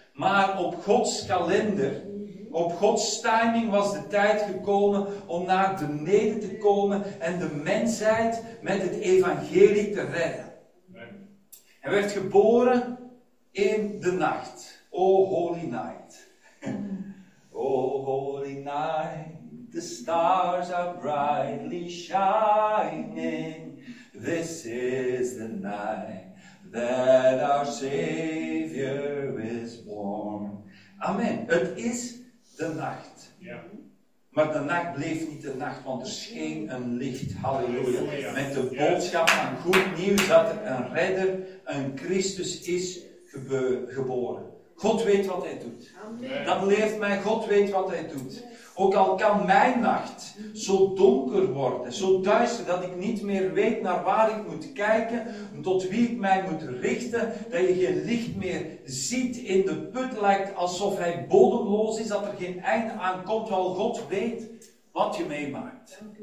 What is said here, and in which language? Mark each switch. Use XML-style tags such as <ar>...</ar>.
<nl>Maar op Gods kalender, op Gods timing was de tijd gekomen om naar beneden te komen. En de mensheid met het evangelie te redden. Nee. Hij werd geboren in de nacht.</nl> <en>Oh, holy night. Oh, holy night. The stars are brightly shining. This is the night that our Savior is born.</en> <nl>Amen. Het is de nacht. Yeah. Maar de nacht bleef niet de nacht, want er scheen een licht. Halleluja. Met de boodschap van goed nieuws dat er een redder, een Christus is geboren. God weet wat hij doet. Amen. Dat leert mij, God weet wat hij doet. Ook al kan mijn nacht zo donker worden, zo duister, dat ik niet meer weet naar waar ik moet kijken, tot wie ik mij moet richten, dat je geen licht meer ziet, in de put lijkt alsof hij bodemloos is, dat er geen einde aan komt, wel God weet wat je meemaakt.</nl>